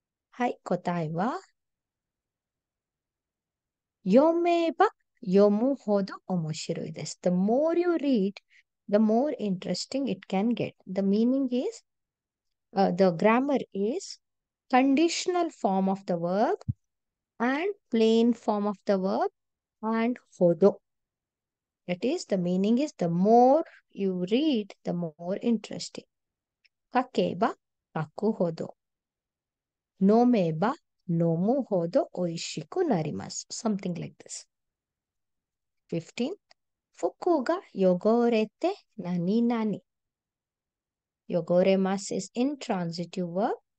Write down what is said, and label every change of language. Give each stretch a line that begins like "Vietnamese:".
Japanese: はい、答えは読めば読むほど面白いです。
English: The more you read, the more interesting it can get. The meaning is, the grammar is conditional form of the verb and plain form of the verb and ほど。 That is, the meaning is the more you read, the more interesting.
Japanese: かけば、かくほど。飲めば、飲むほど美味しくなります。
English: Something like this. 15.
Japanese: 服が汚れて何々。
English: 汚れます is intransitive verb.